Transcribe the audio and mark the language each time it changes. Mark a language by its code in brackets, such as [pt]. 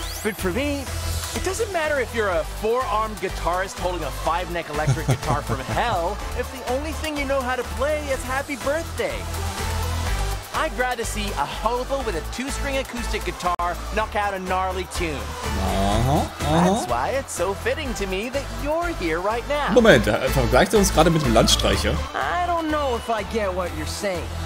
[en] But for me, it doesn't matter if you're a four-armed guitarist holding a five-neck electric guitar from hell, if the only thing you know how to play is Happy Birthday. I'd rather see a hobo with a two-string acoustic guitar knock out a gnarly tune. That's why it's so fitting to me that you're here right now. [de] Moment, vergleicht er uns gerade mit dem Landstreicher? [en] I don't know if I get what you're saying.